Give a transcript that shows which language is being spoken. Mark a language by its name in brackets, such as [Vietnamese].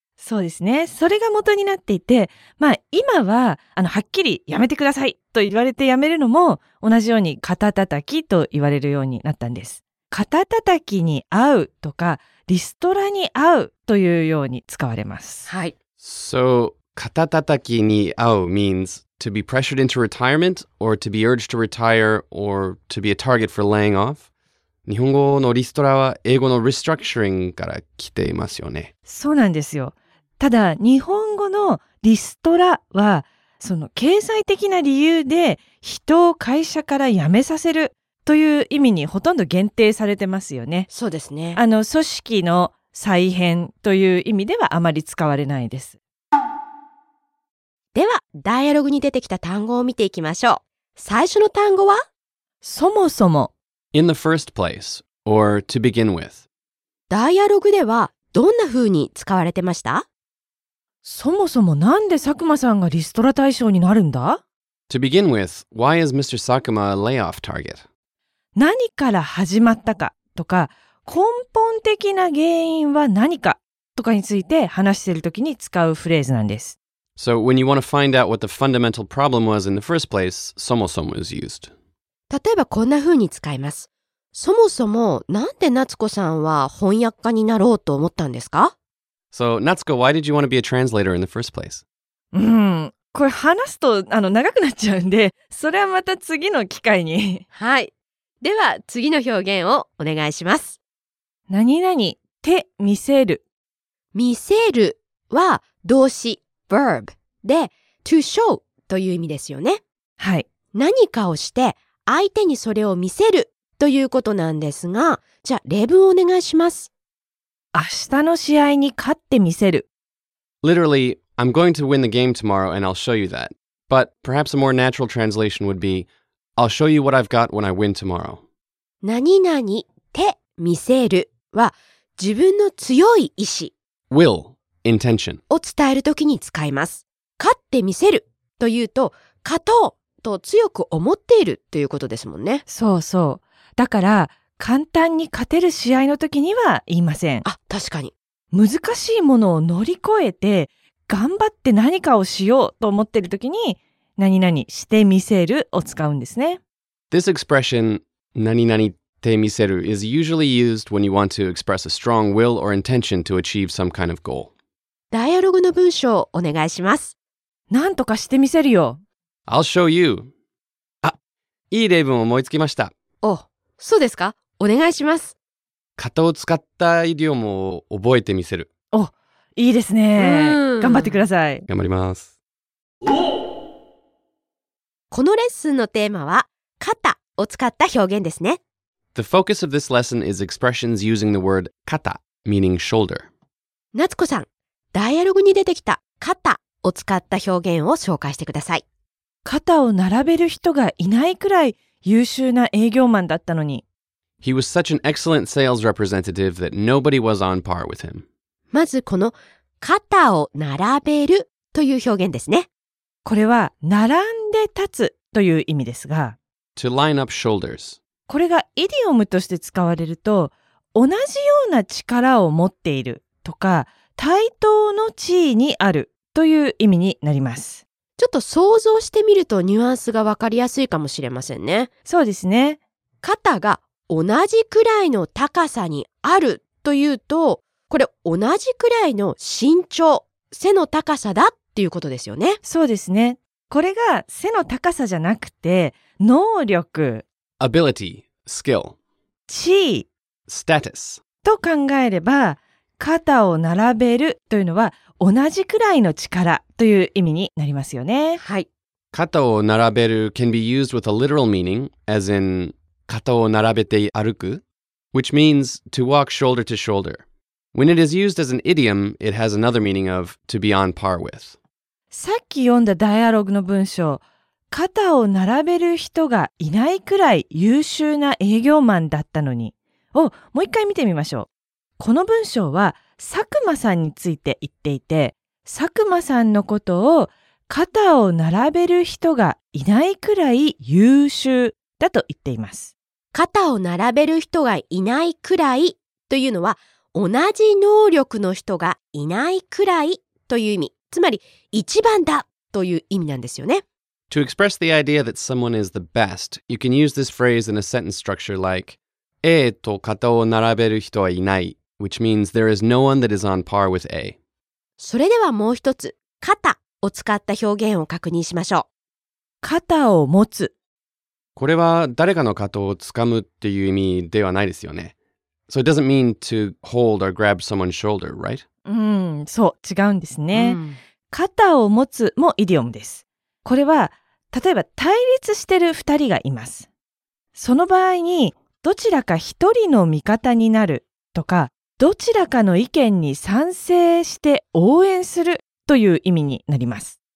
[Japanese] そうですね。それが元になっていて、まあ今は、あの、はっきりやめてくださいと言われてやめるのも、同じように肩叩きと言われるようになったんです。肩叩きに遭うとか、リストラに遭うというように使われます。はい。 [English] So, [Japanese] 肩叩きに遭う [English] means to be pressured into retirement or to be urged to retire or to be a target for laying off? [Japanese] 日本語のリストラは英語の restructuring から来ていますよね。そうなんですよ。ただ日本語のリストラはその経済的な理由で人を会社から辞めさせるという意味にほとんど限定されてますよね。そうですね。あの組織の再編という意味ではあまり使われないです。ではダイアログに出てきた単語を見ていきましょう。最初の単語はそもそも。 [English] In the first place, or to begin with. [Japanese] ダイアログではどんな風に使われてました? そもそもなんで佐久間さんがリストラ対象になるんだ? [English] To begin with, why is Mr. Sakuma a layoff target? [Japanese] 何から始まったかとか、根本的な原因は何かとかについて話している時に使うフレーズなんです。 [English] So when you want to find out what the fundamental problem was in the first place, そもそも is used. [Japanese] 例えばこんな風に使います。そもそもなんで夏子さんは翻訳家になろうと思ったんですか? [English] So, Natsuko, why did you want to be a translator in the first place? [Japanese] これ話すとあの長くなっちゃうんで、それはまた次の機会に。はい。では次の表現をお願いします。何々って見せる。見せるは動詞 verb で [English] to show [Japanese] という意味ですよね。はい。何かをして相手にそれを見せるということなんですが、じゃあ例文をお願いします。明日の試合に勝ってみせる。 [English] Literally, I'm going to win the game tomorrow and I'll show you that. But perhaps a more natural translation would be, I'll show you what I've got when I win tomorrow. [Japanese] 何々って見せるは自分の強い意志。 [English] Will, intention. [Japanese] を伝えるときに使います。勝ってみせるというと、勝とう。と強く思っているということですもんね。そうそう。だから簡単に勝てる試合の時には言いません。あ、確かに。難しいものを乗り越えて頑張って何かをしようと思っている時に何々してみせるを使うんですね。 [English] This expression [Japanese] 何々ってみせる [English] is usually used when you want to express a strong will or intention to achieve some kind of goal. [Japanese] ダイアログの文章をお願いします。なんとかしてみせるよ。 [English] I'll show you. あ、 [Japanese] いい例文を思いつきました。お、そうですか。お願いします。型を使ったイディオムを覚えてみせる。お、いいですね。頑張ってください。頑張ります。お、このレッスンのテーマは型を使った表現ですね。 [English] The focus of this lesson is expressions using the word 型 meaning shoulder。 [Japanese] 夏子さん、ダイアログに出てきた型を使った表現を紹介してください。肩を並べる人がいないくらい優秀な営業マンだったのに。 He was such an excellent sales representative that nobody was on par with him. まずこの肩を並べるという表現ですね。これは並んで立つという意味ですが、 [English] To line up shoulders。 [Japanese] これがイディオムとして使われると同じような力を持っているとか対等の地位にあるという意味になります。ちょっと想像してみるとニュアンスが分かりやすいかもしれませんね。そうですね。肩が同じくらいの高さにあるというと、これ同じくらいの身長、背の高さだっていうことですよね。そうですね。これが背の高さじゃなくて、能力、 [English] ability、skill、 [Japanese] 地位、 [English] status [Japanese] と考えれば、肩を並べるというのは同じくらいの力という意味になりますよね。はい。肩を並べる [English] can be used with a literal meaning, as in [Japanese] 肩を並べて歩く、 [English] which means to walk shoulder to shoulder. When it is used as an idiom, it has another meaning of to be on par with. [Japanese] さっき読んだダイアログの文章、肩を並べる人がいないくらい優秀な営業マンだったのに、をもう一回見てみましょう。この文章は佐久間さんについて言っていて、佐久間さんのことを肩を並べる人がいないくらい優秀だと言っています。肩を並べる人がいないくらいというのは、同じ能力の人がいないくらいという意味、つまり一番だという意味なんですよね。 [English] To express the idea that someone is the best, you can use this phrase in a sentence structure like [Japanese] A と肩を並べる人はいない、 [English] which means there is no one that is on par with A. [Japanese] それではもう一つ、肩を使った表現を確認しましょう。肩を持つ。これは誰かの肩をつかむっていう意味ではないですよね。 [English] So it doesn't mean to hold or grab someone's shoulder, right? [Japanese] そう、違うんですね。肩を持つもイディオムです。これは、例えば対立してる二人がいます。その場合に、どちらか一人の味方になるとか、どちらかの意見に賛成して応援するという意味になります。